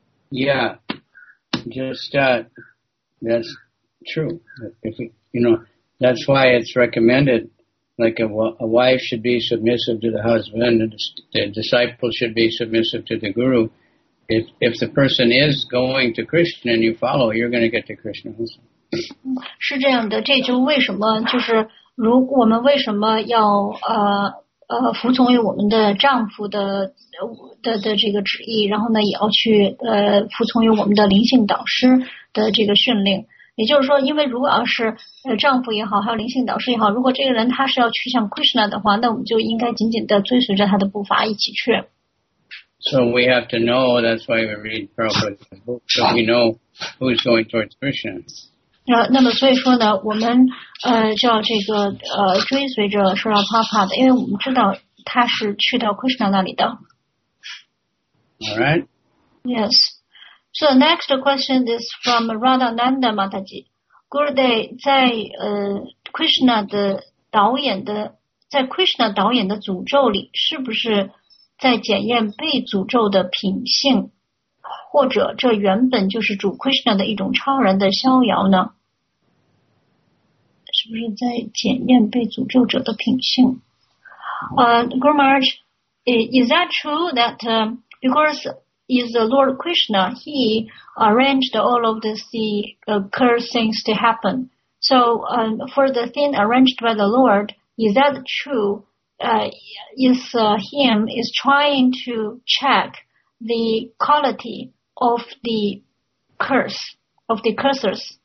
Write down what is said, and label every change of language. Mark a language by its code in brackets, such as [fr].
[en] Yeah. Just that. That's true. You know, that's why it's recommended, like a wife should be submissive to the husband, and the disciple should be submissive to the guru. If the person is going to Krishna and you follow, you're going to get to Krishna also. [zh] 是这样的，这就为什么就是如我们为什么要服从于我们的丈夫的这个旨意，然后呢也要去服从于我们的灵性导师的这个训令。也就是说，因为如果要是丈夫也好，还有灵性导师也好，如果这个人他是要去向 Krishna 的话，那我们就应该紧紧的追随着他的步伐一起去。 [en] So we have to know. That's why we read Prabhupada's book, so we know who's going towards Krishna. [zh] 那么所以说呢，我们叫这个追随着 Srila Prabhupada 的，因为我们知道他是去到 Krishna 那里的。 [en] All right. Yes. So the next question is from Radha Nanda Mataji. [zh] Guruji, 在 Krishna 导演的诅咒里，是不是在检验被诅咒的品性，或者这原本就是主 Krishna 的一种超然的逍遥呢？是不是在检验被诅咒者的品性？ [en] Guru Maharaj, is that true that because... Is the Lord Krishna, he arranged all of the cursed things to happen. So for the thing arranged by the Lord, is that true? Is him trying to check the quality of the curse, of the cursors?